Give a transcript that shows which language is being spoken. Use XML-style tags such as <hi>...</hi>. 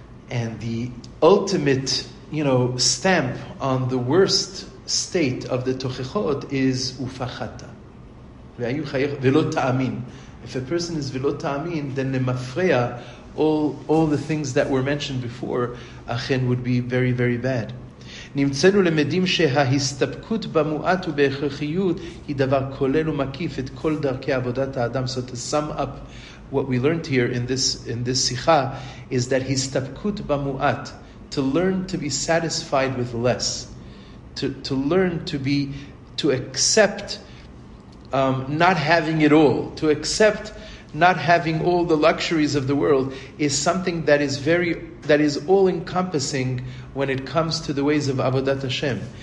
<en>And the ultimate, you know, stamp on the worst state of the tochechot is ufachata.</en> <he>Ve'ayu chayech ve'lo ta'amin.</he> <en>If a person is ve'lo ta'amin, then nemafreya, all the things that were mentioned before, achen would be very, very bad.</en> <he>נמצאנו למדים שההסתפקות במועט ובהכרחיות היא דבר כולל ומקיף את כל דרכי עבודת האדם.</he> <en>So to sum up what we learned here in this שיחה is that הסתפקות במועט, to learn to be satisfied with less, to learn to be, to accept not having it all, to accept not having all the luxuries of the world, is something that is very, that is all-encompassing when it comes to the ways of Avodat Hashem.</en>